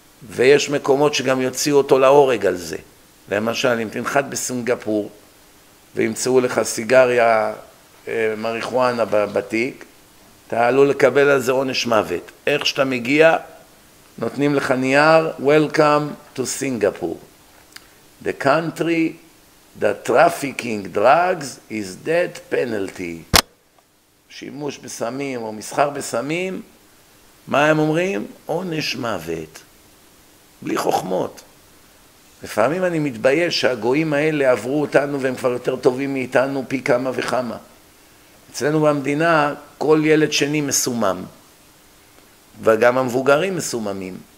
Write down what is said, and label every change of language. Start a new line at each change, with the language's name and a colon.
Hebrew: ויש מקומות שגם יוציאו אותו להורג על זה. למשל, אם תנחת בסינגפור וימצאו לך סיגריה מריחואנה בתיק, אתה עלול לקבל על זה עונש מוות. איך שאתה מגיע, נותנים לך נייר,
English: Welcome to Singapore. The country that trafficking drugs is death penalty.
Hebrew: שימוש בסמים או מסחר בסמים, מה הם אומרים? עונש מוות. בלי חוכמות. לפעמים אני מתבייש שהגויים האלה עברו אותנו והם כבר יותר טובים מאיתנו פי כמה וכמה. אצלנו במדינה כל ילד שני מסומם. וגם המבוגרים מסוממים.